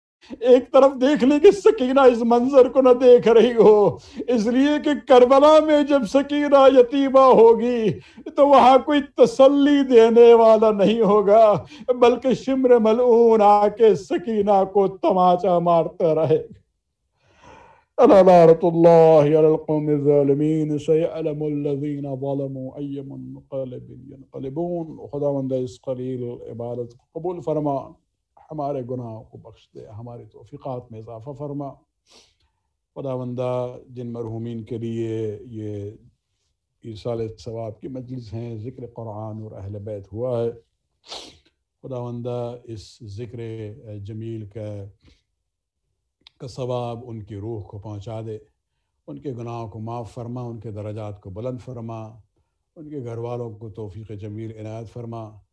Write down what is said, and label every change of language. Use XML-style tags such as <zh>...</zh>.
<ur>ایک طرف دیکھنے کی سکینہ اس منظر کو نہ دیکھ رہی ہو, اس لیے کہ کربلا میں جب سکینہ یتیمہ ہوگی تو وہاں کوئی تسلی دینے والا نہیں ہوگا, بلکہ شمر ملعون آ کے سکینہ کو تماچا مارتا رہے.</ur> <ar>لعنة الله على القوم الظالمين سيعلم الذين ظلموا أي منقلب ينقلبون.</ar> <ur>خداوند اس قليل عبادت قبول فرما, ہمارے گناہ کو بخش دے, ہماری توفیقات میں اضافہ فرما. خداوندہ جن مرحومین کے لیے یہ ایصال ثواب کی مجلس ہیں, ذکر قرآن اور اہل بیت ہوا ہے, خداوندہ اس ذکر جمیل کا ثواب ان کی روح کو پہنچا دے, ان کے گناہوں کو معاف فرما, ان کے درجات کو بلند فرما, ان کے گھر والوں کو توفیق جمیل عنایت فرما.</ur>